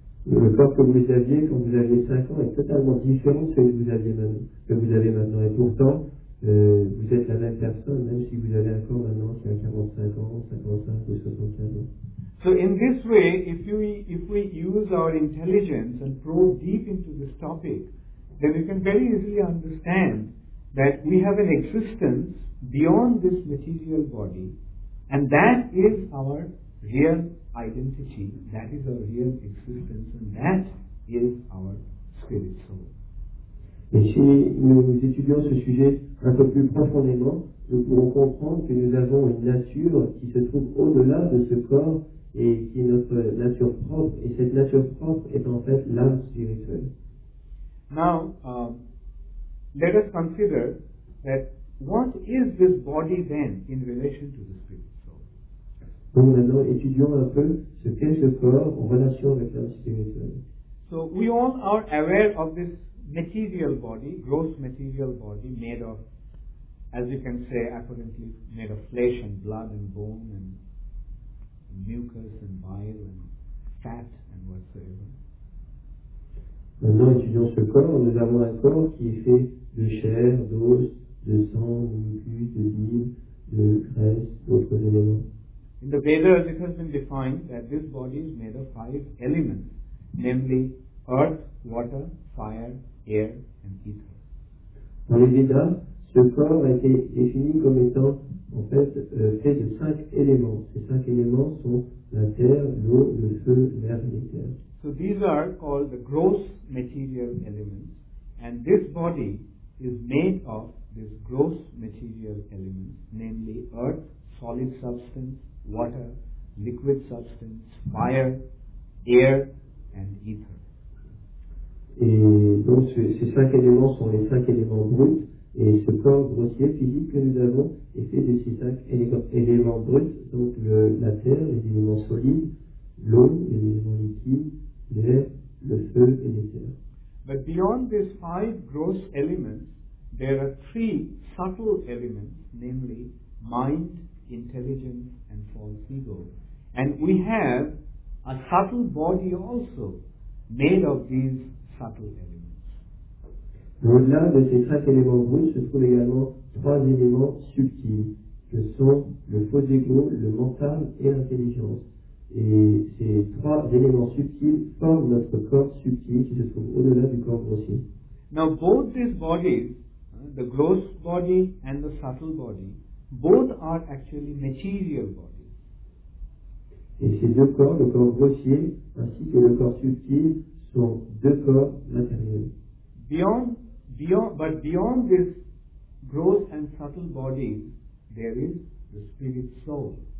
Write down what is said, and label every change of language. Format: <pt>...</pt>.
<fr>Le corps que vous aviez quand vous aviez 5 ans est totalement différent de celui que vous avez maintenant. Et pourtant, vous êtes la même personne, même si vous avez un corps maintenant qui a 45 ans, 55 ou 75 ans.</fr> <en>So in this way, if we use our intelligence and probe deep into this topic, then we can very easily understand that we have an existence beyond this material body, and that is our real identity, that is our real existence, and that is our spirit soul.</en> <fr>Et si nous étudions ce sujet un peu plus profondément, nous pourrons comprendre que nous avons une nature qui se trouve au-delà de ce corps et qui est notre nature propre, et cette nature propre est en fait l'âme spirituelle.</fr> <en>Now, let us consider that what is this body then in relation to the spirit soul?</en> <fr>Donc maintenant, étudions un peu ce qu'est ce corps en relation avec l'âme spirituelle.</fr> <en>So, we all are aware of this material body, gross material body, made of, as you can say, apparently made of flesh and blood and bone and mucus and bile and fat and whatsoever.</en> <fr>Maintenant, étudions ce corps. Nous avons un corps qui est fait de chair, d'os, de sang, de mucus, de bile, de graisse, d'autres éléments.</fr> <en>In the Vedas, it has been defined that this body is made of five elements, namely earth, water, fire, air, and ether.</en> <fr>Dans les Vedas, ce corps a été défini comme étant en fait fait de cinq éléments. Ces cinq éléments sont la terre, l'eau, le feu, l'air et l'éther.</fr> <en>So these are called the gross material elements, and this body is made of these gross material elements, namely earth, solid substance, water, liquid substance, fire, air, and ether.</en> <fr>Et donc ces cinq éléments sont les cinq éléments bruts, et ce corps grossier physique que nous avons est fait de ces cinq éléments bruts, donc la terre, les éléments solides, l'eau, les éléments liquides, l'air, le feu et l'éther.</fr> <en>But beyond these five gross elements, there are three subtle elements, namely mind, intelligence and false ego. And we have a subtle body also made of these subtle elements.</en> <fr>Au-delà de ces cinq éléments bruts se trouvent également trois éléments subtils, que sont le faux ego, le mental et l'intelligence. Et ces trois éléments subtils forment notre corps subtil qui se trouve au-delà du corps grossier.</fr> <en>Now both these bodies, the gross body and the subtle body, both are actually material bodies.</en> <fr>Et ces deux corps, le corps grossier ainsi que le corps subtil, sont deux corps matériels.</fr> <en>But beyond this gross and subtle bodies, there is the spirit soul.</en>